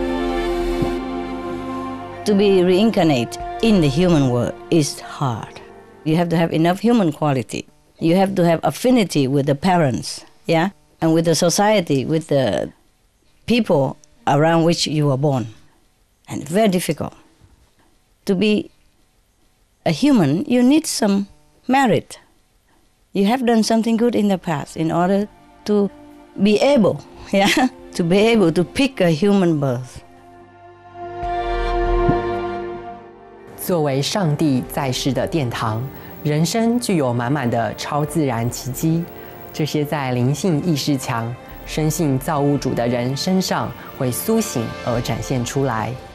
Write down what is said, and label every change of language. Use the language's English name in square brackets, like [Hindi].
[Chinese] 不过任何灵魂要获得这个住着上帝的神圣人生，相当难能可贵，要很有福气才能出世当人。清海无上师曾数次谈到人生难得。To [English] be reincarnated in the human world is hard. You have to have enough human quality. You have to have affinity with the parents, yeah? And with the society, with the people around which you were born. And very difficult. To be a human, you need some merit. You have done something good in the past in order to be able, yeah? To be able to pick a human birth. [Chinese] 作为上帝在世的殿堂, 人生具有满满的超自然奇迹，这些在灵性意识强、生性造物主的人身上会苏醒而展现出来。